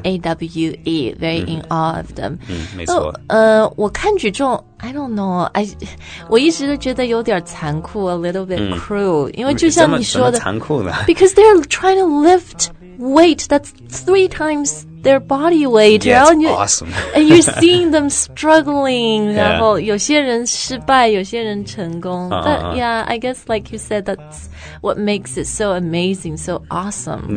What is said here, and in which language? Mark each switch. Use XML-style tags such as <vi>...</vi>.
<en>A-W-E very in awe of them</en> <zh>没错我看举重</zh> <en>I don't know</en> <zh>我一直都觉得有点残酷</zh> <en>a little bit cruel</en> <zh>因为就像你说的怎么残酷呢</zh> <en>because they're trying to lift weight that's three times their body weight. Yeah, it's awesome. And you're seeing them struggling. Yeah.</en> <zh>然后有些人失败，有些人成功。</zh> <en>But yeah, I guess like you said, that's what makes it so amazing, so awesome.</en>